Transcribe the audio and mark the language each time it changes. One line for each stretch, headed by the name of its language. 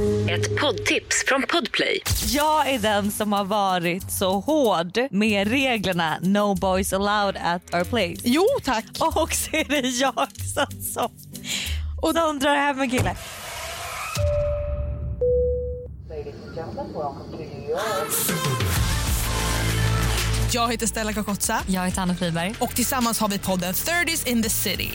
Swedish: Ett poddtips från Podplay. Jag är den som har varit så hård med reglerna.
English: No boys allowed at our place.
Swedish: Jo, tack. Och så är det jag som och de drar hem med killen. Jag heter Stella Kakotsa. Jag heter Anna Friberg. Och tillsammans har vi podden 30s in the city.